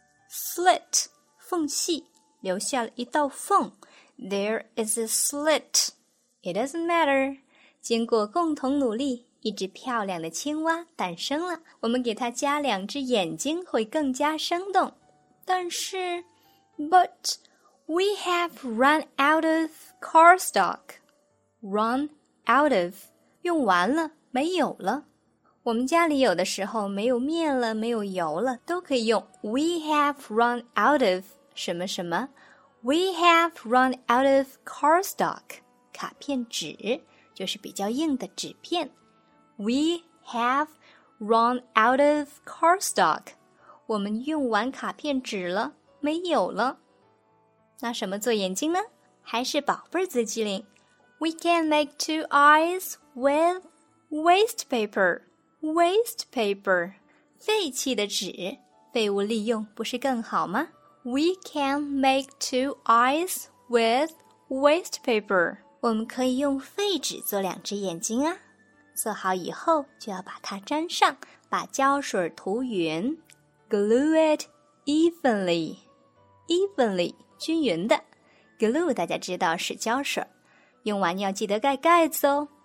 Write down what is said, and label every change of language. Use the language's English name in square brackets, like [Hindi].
[Chinese] Slit, 缝隙，留下了一道缝。 [English] There is a slit. It doesn't matter. [Chinese] 经过共同努力，一只漂亮的青蛙诞生了。我们给它加两只眼睛会更加生动。 [English] 但是 But we have run out of cardstock. [Chinese] Run out of. 用完了，没有了。我们家里有的时候没有面了，没有油了，都可以用 [English] We have run out of [Chinese] 什么什么。 [English] We have run out of cardstock. [Chinese] 卡片纸就是比较硬的纸片。 [English] We have run out of cardstock. [Chinese] 我们用完卡片纸了，没有了。那什么做眼睛呢？还是宝贝自己灵。 [English] We can make two eyes with waste paper. Waste paper. [Chinese] 废弃的纸，废物利用不是更好吗？ [English] We can make two eyes with waste paper. [Chinese] 我们可以用废纸做两只眼睛啊。做好以后就要把它粘上，把胶水涂匀。 [English] Glue it evenly. Evenly, 均匀的。 [Chinese] Glue 大家知道是胶水。用完要记得盖盖子哦。